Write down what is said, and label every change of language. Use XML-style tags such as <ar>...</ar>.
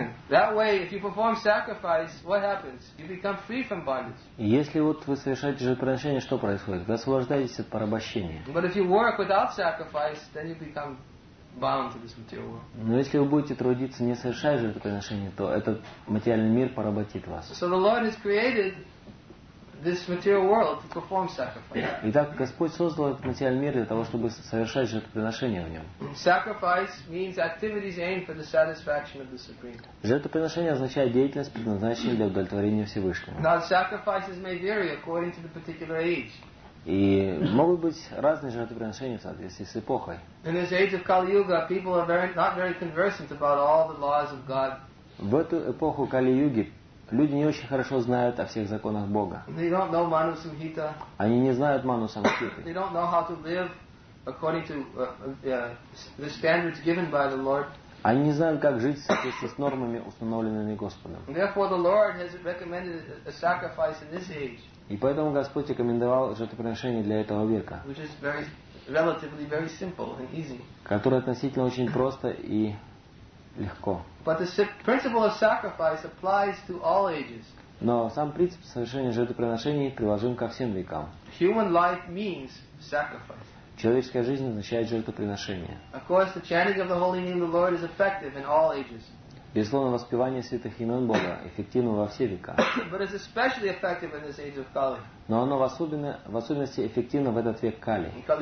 <en>That way, if you perform sacrifice, what happens? You become free from bondage.</en> <ru>Если вот вы совершаете жертвоприношение, что происходит? Вы освобождаетесь от порабощения.</ru> <en>But if you work without sacrifice, then you become bound to this material world.</en> <ru>Но если вы будете трудиться, не совершая жертвоприношение, то этот материальный мир поработит вас.</ru> <en>So the Lord has created this material world to perform sacrifice.</en> <ru>Итак, Господь создал этот материальный мир для того, чтобы совершать жертвоприношение в нем.</ru> <en>Sacrifice means activities aimed for the satisfaction of the Supreme.</en> <ru>Жертвоприношение означает деятельность, предназначенная для удовлетворения Всевышнего.</ru> <en>Now sacrifices may vary according to the particular age.</en> <ru>И могут быть разные жертвоприношения в соответствии с эпохой.</ru> <en>In this age of Kali Yuga, people are not very conversant about all the laws of God.</en> <ru>В эту эпоху Кали-Юги люди не очень хорошо знают о всех законах Бога.</ru> <en>They don't know Manu Samhita.</en> <ru>Они не знают Ману Самхиты.</ru> <en>They don't know how to live according to the standards given by the Lord.</en> <ru>Они не знают, как жить в соответствии с нормами, установленными Господом.</ru> <en>Therefore, the Lord has recommended a sacrifice in this age.</en> <ru>И поэтому Господь рекомендовал жертвоприношение для этого века,</ru> <en>which is very, relatively very simple and easy.</en> <ru>Которое относительно очень просто и легко.</ru> <en>But the principle of sacrifice applies to all ages.</en> <ru>Но сам принцип совершения жертвоприношений приложим ко всем векам.</ru> <en>Human life means sacrifice.</en> <ru>Человеческая жизнь означает жертвоприношение.</ru> <en>Of course, the chanting of the holy name of the Lord is effective in all ages.</en> <ru>Безусловно, воспевание святых имен Бога эффективно во все века.</ru> <en>But it's especially effective in this age of Kali.</en> <ru>Но оно в особенности эффективно в этот век Кали.</ru>